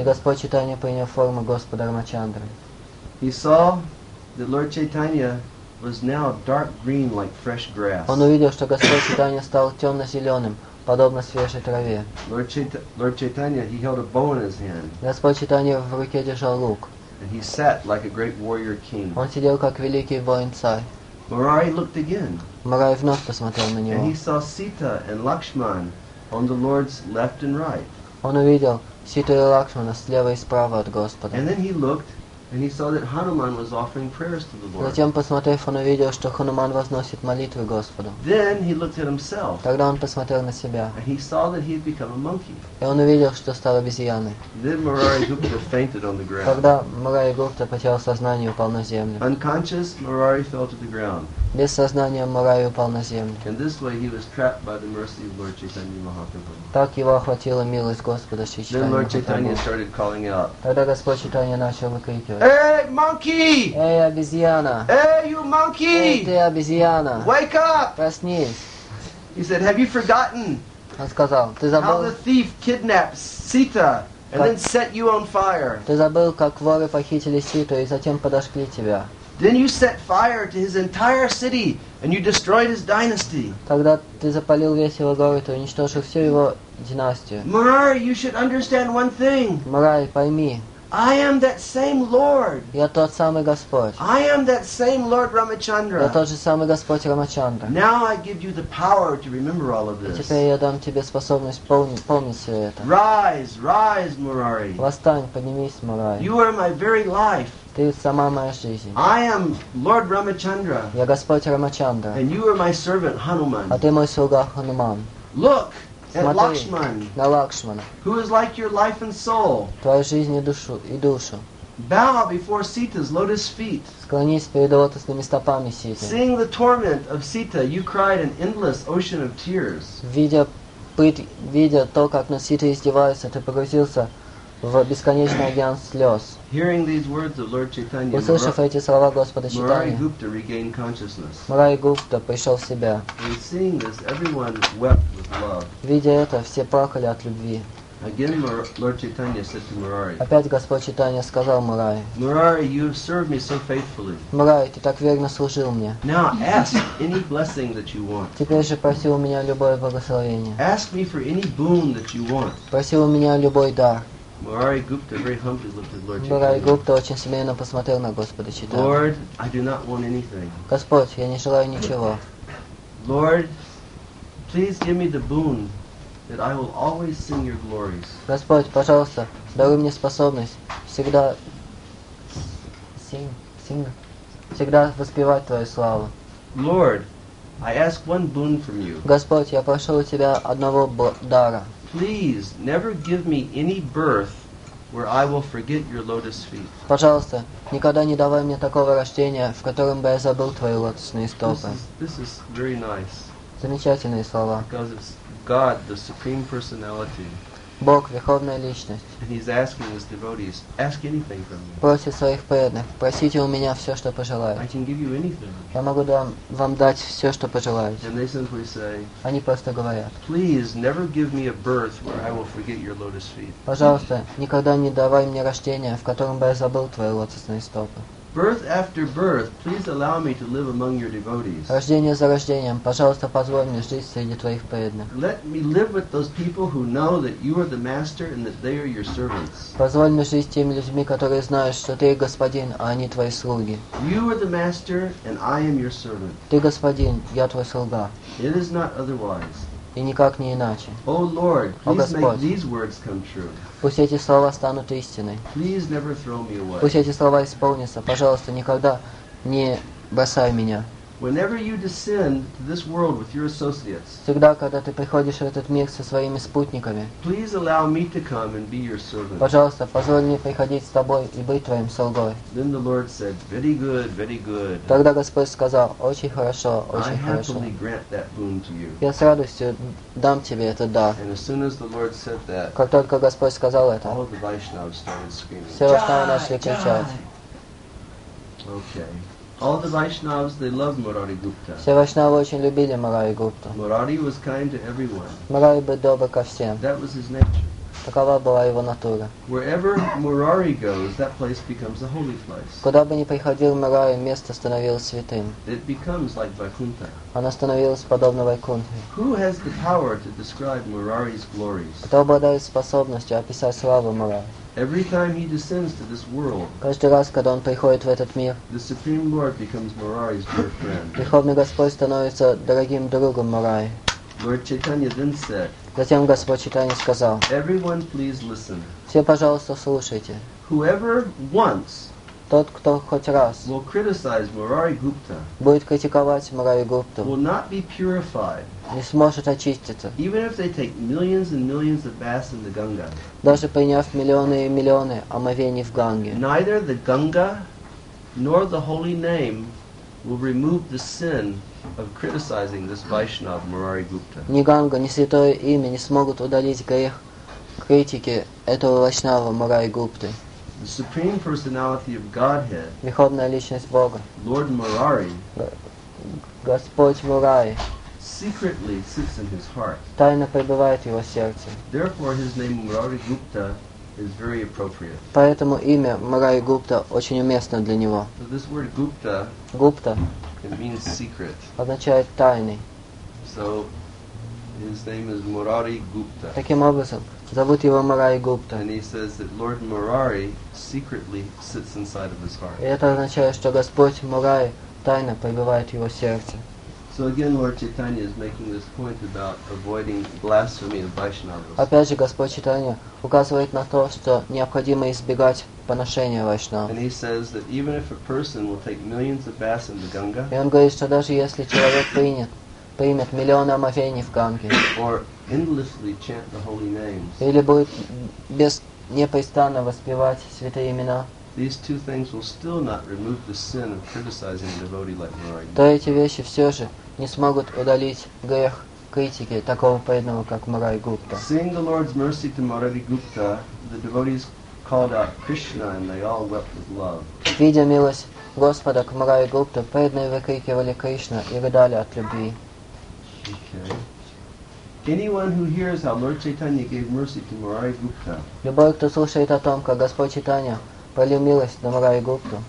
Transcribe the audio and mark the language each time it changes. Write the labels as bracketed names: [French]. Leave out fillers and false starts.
[Russian] И Господь Чайтанья принял форму Господа Рамачандры. [English] He saw that Lord Chaitanya was now dark green like fresh grass. [Russian] Он увидел, что Господь Чайтанья стал темно-зеленым, подобно свежей траве. [English] Lord Chaitanya, he held a bow in his hand. [Russian] Господь Чайтанья в руке держал лук. [English] And he sat like a great warrior king. [Russian] Он сидел как великий воин-царь. [English] Murari looked again. [Russian] Murari вновь посмотрел на него. [English] And he saw Sita and Lakshman on the Lord's left and right. [Russian] Он увидел Ситу и Лакшмана слева и справа от Господа. [English] And then he looked and he saw that Hanuman was offering prayers to the Lord. [Russian] Затем, посмотрев, он увидел, что Хануман возносит молитвы Господу. [English] Then he looked at himself. [Russian] Тогда он посмотрел на себя. [English] And he saw that he had become a monkey. [Russian] И он увидел, что стал обезьяной. [English] Then Murari Gupta fainted on the ground. [Russian] Тогда Murari Gupta потерял сознание и упал на землю. [English] Unconscious, Murari fell to the ground. [Russian] Без сознания Murari упал на землю. [English] In this way he was trapped by the mercy of Lord Chaitanya Mahaprabhu. [Russian] Так его охватила милость Господа Шри Чайтаньи. [English] Then Lord Chaitanya started calling out. [Russian] Тогда Господь Чайтанья начал выкрикивать. [English] Hey, monkey! [Russian] Эй, обезьяна! [English] Hey, you monkey! [Russian] Ты обезьяна! [English] Wake up! [Russian] Проснись! [English] He said, have you forgotten? [Russian] Он сказал, ты забыл, [English] how the thief kidnaps Sita and then set you on fire. [Russian] Ты забыл, как воры похитили Ситу и затем подожгли тебя. [English] Then you set fire to his entire city and you destroyed his dynasty. [Russian] Тогда ты запалил весь его город и уничтожил всю его династию. [English] Murari, you should understand one thing. [Russian] Murari, пойми. [English] I am that same Lord. [Russian] Я тот самый Господь. [English] I am that same Lord Ramachandra. [Russian] Я тот же самый Господь Рамачандра. [English] Now I give you the power to remember all of this. [Russian] И теперь я дам тебе способность помнить все это. [English] Rise, rise, Murari. [Russian] Восстань, поднимись, Murari. [English] You are my very life. [Russian] Ты сама моя жизнь. [English] I am Lord Ramachandra. [Russian] Я Господь Рамачандра. [English] And you are my servant Hanuman. [Russian] А ты мой слуга Хануман. [English] Look. And Lakshman, [Russian] на Лакшмана, [English] who is like your life and soul, [Russian] твоя жизнь и душу, и душу. [English] Bow before Sita's lotus feet. [Russian] Склонись перед лотосными стопами Ситы. [English] Seeing the torment of Sita, you cried an endless ocean of tears. [Russian] Видя то, как на Ситу издевается, ты погрузился в бесконечный океан слез. [English] Hearing these words of Lord Chaitanya, [Russian] услышав эти слова Господа Чайтаньи, [English] Murari Gupta regained consciousness. [Russian] Murari Gupta пришел в себя. [English] And seeing this, everyone wept with love. [Russian] Видя это, все плакали от любви. [English] Again, Lord Chaitanya said to Murari. [Russian] Опять Господь Чайтанья сказал Murari. [English] Murari, you have served me so faithfully. [Russian] Murari, ты так верно служил мне. [English] Now ask any blessing that you want. [Russian] Теперь же проси у меня любое благословение. [English] Ask me for any boon that you want. [Russian] Проси у меня любой дар. [English] Murari Gupta very humbly looked at Lord Chaitanya. [Russian] Murari Gupta очень смиренно посмотрел на Господа Чайтанью. [English] Lord, I do not want anything. [Russian] Господь, я не желаю ничего. [English] Lord, please give me the boon that I will always sing your glories. [Russian] Господь, пожалуйста, даруй мне способность всегда [English] sing, [Russian] всегда воспевать твою славу. [English] Lord, I ask one boon from you. [Russian] Господь, я прошу у тебя одного дара. [English] Please never give me any birth where I will forget your lotus feet. [Russian] Пожалуйста, никогда не давай мне такого рождения, в котором бы я забыл твои лотосные стопы. [English] This is very nice. [Russian] Замечательные слова. [English] Because it's God, the Supreme Personality. [Russian] Бог, Верховная Личность. [English] And he's asking his devotees, ask anything from me. [Russian] Просит своих преданных, просите у меня все, что пожелаете. [English] I can give you anything. [Russian] Я могу вам дать все, что пожелаете. [English] And they simply say, [Russian] они просто говорят, [English] please never give me a birth where I will forget your lotus feet. [Russian] Пожалуйста, никогда не давай мне рождения, в котором бы я забыл твои лотосные стопы. [English] Birth after birth, please allow me to live among your devotees. [Russian] Рождение за рождением, пожалуйста, позволь мне жить среди твоих преданных. [English] Let me live with those people who know that you are the master and that they are your servants. [Russian] Позволь мне жить с теми людьми, которые знают, что ты господин, а они твои слуги. [English] You are the master and I am your servant. [Russian] Ты господин, я твой слуга. [English] It is not otherwise. [Russian] И никак не иначе. [English] О, Lord, please, [Russian] о Господь, [English] make these words come true. [Russian] Пусть эти слова станут истиной. [English] Please never throw me away. [Russian] Пусть эти слова исполнятся. Пожалуйста, никогда не бросай меня. [English] Whenever you descend to this world with your associates, [Russian] всегда, когда ты приходишь в этот мир со своими спутниками, [English] please allow me to come and be your servant. [Russian] Пожалуйста, позволь мне приходить с тобой и быть твоим слугой. [English] Then the Lord said, very good, very good. [Russian] Тогда Господь сказал, очень хорошо, очень хорошо. [English] I happily grant that boon to you. [Russian] Я с радостью дам тебе этот дар. [English] And as soon as the Lord said that, [Russian] как только Господь сказал это, [English] all the Vaishnavas started screaming, [Russian] все Вайшнавы начали кричать. [English] Okay. All the Vaishnavas, they loved Murari Gupta. [Russian] Все Вайшнавы очень любили Мурари Гупту. [English] Murari was kind to everyone. [Russian] Мурари был добр ко всем. [English] That was his nature. [Russian] Такова была его натура. [English] Wherever Murari goes, that place becomes a holy place. [Russian] Куда бы ни приходил Мурари, место становилось святым. [English] It becomes like Vaikuntha. [Russian] Оно становилось подобно Вайкунте. [English] Who has the power to describe Murari's glories? [Russian] Кто обладает способностью описать славу Мурари? [English] Every time he descends to this world, [Russian] каждый раз, когда он приходит в этот мир, [English] the Supreme Lord becomes Murari's dear friend. [Russian] Верховный Господь становится дорогим другом Мурари. [English] Lord Chaitanya then said, [Russian] затем Господь Чайтанья сказал, [English] everyone please listen. [Russian] Все, пожалуйста, слушайте. [English] Whoever once, [Russian] тот, кто хоть раз, [English] will criticize Murari Gupta, [Russian] будет критиковать Мурари Гупту, [English] will not be purified. [Russian] Не сможет очиститься. [English] Even if they take millions and millions of baths in the Ganga, [Russian] даже приняв миллионы и миллионы омовений в Ганге, [English] neither the Ganga nor the holy name will remove the sin of criticizing this Vaishnava Murari Gupta. [Russian] Ни Ганга, ни святое имя не смогут удалить грех критики этого Вайшнава Мурари Гупты. [English] The Supreme Personality of Godhead, [Russian] Верховная Личность Бога, [English] Lord Murari, [Russian] Господь Мурари, [English] secretly sits in his heart. [Russian] Тайно пребывает в его сердце. [English] Therefore, his name Murari Gupta is very appropriate. [Russian] Поэтому имя Мурари Гупта очень уместно для него. [English] So this word Gupta, [Russian] Gupta, [English] it means secret. [Russian] Означает тайный. [English] So his name is Murari Gupta. [Russian] Таким образом, зовут его Мурари Гупта. [English] And he says that Lord Murari secretly sits inside of his heart. [Russian] И это означает, что Господь Мурари тайно пребывает в его сердце. [English] So again, Lord Chaitanya is making this point about avoiding blasphemy of Vaishnavas. [Russian] Опять же, Господь Чайтанья указывает на то, что необходимо избегать поношения Вайшнав. [English] And he says that even if a person will take millions of baths in the Ganga, [Russian] и он говорит, что даже если человек примет миллионы омовений в Ганге, [English] or endlessly chant the holy names, [Russian] или будет непрестанно воспевать святые имена, [English] these two things will still not remove the sin of criticizing a devotee like Murari. [Russian] То эти вещи все же не смогут удалить грех критики такого преданного, как Мурари Гупта. [English] Seeing the Lord's mercy to Murari Gupta, the devotees called out Krishna, and they all wept with love. [Russian] Видя милость Господа к Мурари Гупта, преданные выкрикивали Кришна и рыдали от любви. [English] Okay. Anyone who hears how Lord Chaitanya gave mercy to Murari Gupta, [Russian] любой, кто слушает о том, как Господь Чайтанья пролил милость на Мурари Гупту,